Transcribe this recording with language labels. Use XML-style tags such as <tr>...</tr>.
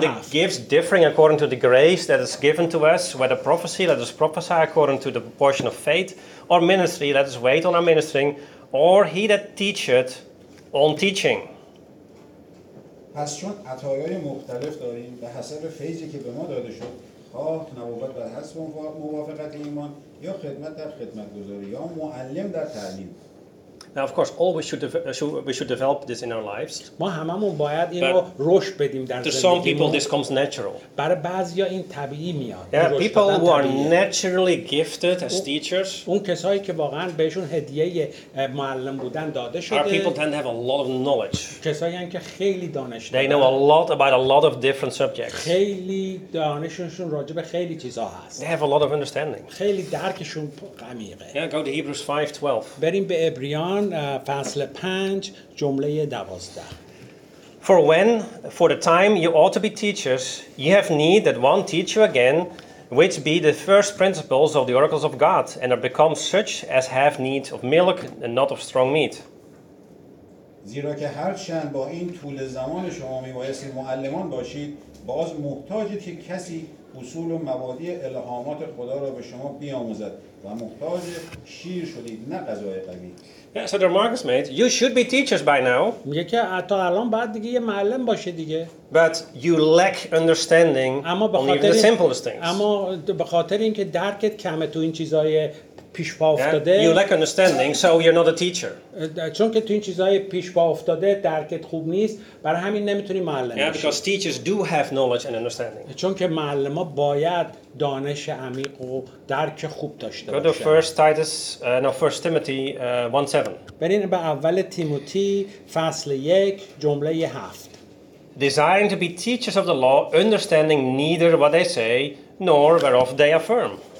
<en>Having the gifts differing according to the grace that is given to us, whether prophecy, let us prophesy according to the proportion of faith, or ministry, let us wait on our ministering, or he that teacheth on teaching.</en> <fa>پس چون عطایای مختلف داریم به حسب فیضی که به ما داده شد، خواه نبوت بر حسب موافقت ایمان یا خدمت در خدمت گذاری یا معلم در تعلیم.</fa> <en>Now of course always we should develop this in our lives.</en> <fa>ما هممون باید اینو رشد بدیم در زندگی.</fa> <en>To some people this comes natural.</en> <fa>برای بعضیا این طبیعی میاد.</fa> <en>Yeah, people who are naturally gifted as teachers.</en> <fa>اون کسایی که واقعا بهشون هدیه معلم بودن داده شده.</fa> <en>Are people tend to have a lot of knowledge.</en> <fa>کسایی هستند که خیلی دانش دارن.</fa> <en>They know a lot about a lot of different subjects.</en> <fa>خیلی دانششون راجع به خیلی چیزا هست.</fa> <en>They have a lot of understanding.</en> <fa>خیلی درکشون عمیقه.</fa> <en>Yeah, go to Hebrews 5:12.</en> <fa>بریم به عبریان فصل 5 جمله 12.</fa> <en>For when for the time you ought to be teachers, you have need that one teach you again, which be the first principles of the oracles of God, and are become such as have need of milk and not of strong meat.</en> <fa>زیرا که هرچند با این طول زمان شما میبایستی معلمان باشید، باز محتاجید که کسی اصول و مبادی الهامات خدا را به شما بیاموزد و محتاج شیر شدید نه غذای قوی.</fa> <en>Yeah, so the remark is made, you should be teachers by now.</en> <fa>میگه تا الان باید دیگه یه معلم باشه دیگه.</fa> <en>But you lack understanding on even the simplest things.</en> <fa>اما به خاطر اینکه درکت کمه تو این چیزای پیش پا افتاده</fa> <en>you lack understanding so you're not a teacher</en> <fa>چون که تو این چیزای پیش پا افتاده درکت خوب نیست برای همین نمیتونی معلم بشی</fa> <en>because teachers do have knowledge and understanding</en> <fa>چون که معلم ها باید دانش عمیق و درک خوب داشته باشن</fa> <en>go to 1 Titus no 1 Timothy 1:7</en> <fa>ببینید به اول تیموتی فصل 1 جمله 7</fa> <en>desiring to be teachers of the law understanding neither what they say nor whereof they affirm</en>